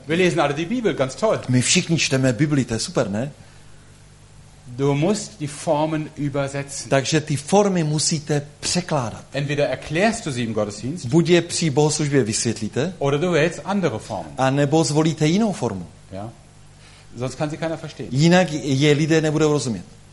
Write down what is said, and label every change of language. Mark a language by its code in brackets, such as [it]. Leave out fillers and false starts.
[de] Wir lesen alle die Bibel, ganz toll. [cs] My všichni čteme Bibli, to je super, ne? [de] Du musst die Formen übersetzen. [cs] Takže ty formy musíte překládat. [de] Entweder erklärst du sie im Gottesdienst. [cs] Buď je při bohoslužbě vysvětlíte. [de] Oder du wählst andere Formen. [cs] A nebo zvolíte jinou formu. [de] Ja. Sonst kann sie keiner verstehen. [cs] Jinak je lidé nebudou rozumět.